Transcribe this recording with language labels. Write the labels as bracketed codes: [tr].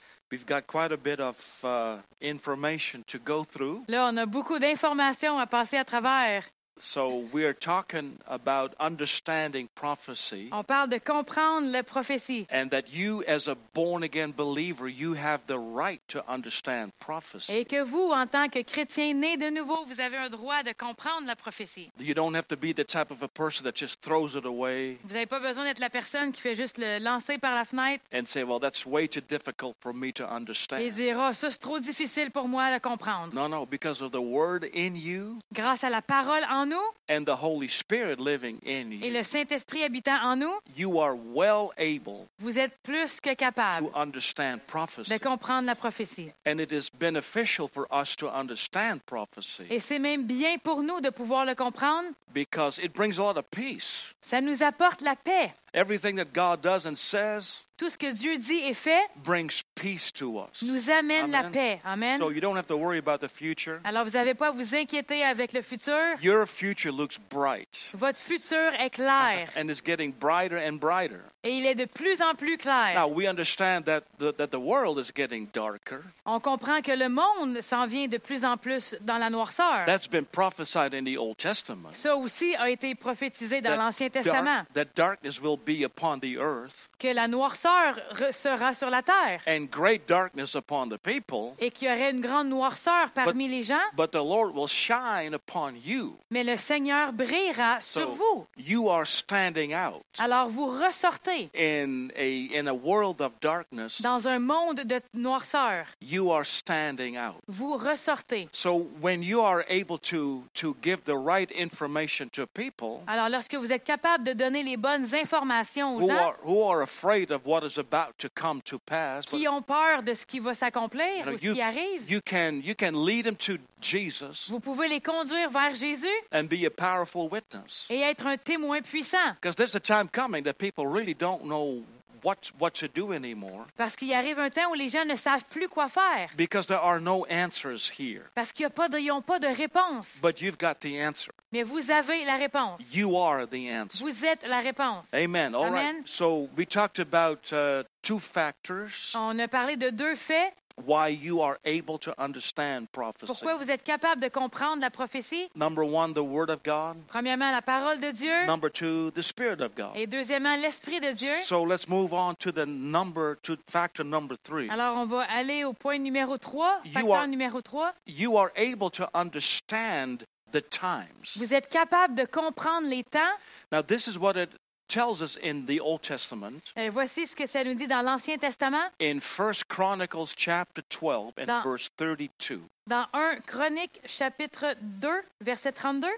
[en] We've got quite a bit of information to go through. [fr] Là, on a beaucoup d'informations à passer à travers. [en] So we are talking about understanding prophecy. [fr] On parle de comprendre la prophétie. [en] And that you, as a born-again believer, you have the right to understand prophecy. [fr] Et que vous, en tant que chrétien né de nouveau, vous avez un droit de comprendre la prophétie. [en] You don't have to be the type of a person that just throws it away. [fr] Vous n'avez pas besoin d'être la personne qui fait juste le lancer par la fenêtre. [en] And say, well, that's way too difficult for me to understand. [fr] Et dire, oh, ça c'est trop difficile pour moi de comprendre. [en] No, because of the word in you. [fr] Grâce à la parole en nous, [en] and the Holy Spirit living in you. [fr] Et le Saint-Esprit habitant en nous. [en] You are well able. [fr] Vous êtes plus que capable. [en] To understand prophecy. [fr] De comprendre la prophétie. [en] And it is beneficial for us to understand prophecy. [fr] Et c'est même bien pour nous de pouvoir le comprendre. [en] Because it brings a lot of peace. [fr] Ça nous apporte la paix. [en] Everything that God does and says. [fr] Tout ce que Dieu dit et fait. [en] Brings peace to us. [fr] Nous amène la paix. Amen. [en] So you don't have to worry about the future. [fr] Alors vous n'avez pas à vous inquiéter avec le futur. [en] Your future looks bright. [fr] Votre futur est clair. [en] And it's getting brighter and brighter. [fr] Et il est de plus en plus clair. [en] Now we understand that the world is getting darker. [fr] On comprend que le monde s'en vient de plus en plus dans la noirceur. [en] That's been prophesied in the Old Testament. [fr] Ça aussi a été prophétisé dans l'Ancien Testament. [en] That darkness will be upon the earth. [fr] Que la noirceur sera sur la terre. [en] And great darkness upon the people. [fr] Et qu'il y aurait une grande noirceur parmi les gens. [en] But the Lord will shine upon you. [fr] Mais le Seigneur brillera sur vous. [en] You are standing out. [fr] Alors vous ressortez. [en] In a world of darkness. [fr] Dans un monde de noirceur. [en] You are standing out. [fr] Vous ressortez. [en] So when you are able to give the right information to people. [fr] Alors lorsque vous êtes capable de donner les bonnes informations aux gens. [en] Who are afraid of what is about to come to pass. [fr] Qui ont peur de ce qui va s'accomplir, [en] you know, [fr] ou ce qui arrive. [en] You can lead them to Jesus. [fr] Vous pouvez les conduire vers Jésus. [en] And be a powerful witness. [fr] Et être un témoin puissant. [en] Because there's a time coming that people really don't know what to do anymore. [fr] Parce qu'il arrive un temps où les gens ne savent plus quoi faire. [en] Because there are no answers here. [fr] Parce qu'il y a pas de, ils ont pas de réponse. [en] But you've got the answer. [fr] Mais vous avez la réponse. [en] You are the answer. [fr] Vous êtes la réponse. [en] Amen. All Amen. Right. So we talked about two factors. [fr] On a parlé de deux faits. [en] Why you are able to understand prophecy. [fr] Pourquoi vous êtes capable de comprendre la prophétie. [en] Number one, the word of God. [fr] Premièrement, la parole de Dieu. [en] Number two, the spirit of God. [fr] Et deuxièmement, l'esprit de Dieu. [en] So let's move on to factor number three. [fr] Alors on va aller au point numéro 3, facteur numéro 3. [en] You are able to understand the times. [fr] Vous êtes capable de comprendre les temps. [en] Now this is what it tells us in the Old Testament. [fr] Et voici ce que ça nous dit dans l'Ancien Testament. [en] In 1 Chronicles chapter 12 and verse 32. [fr] Dans 1 Chronique chapitre 2 verset 32.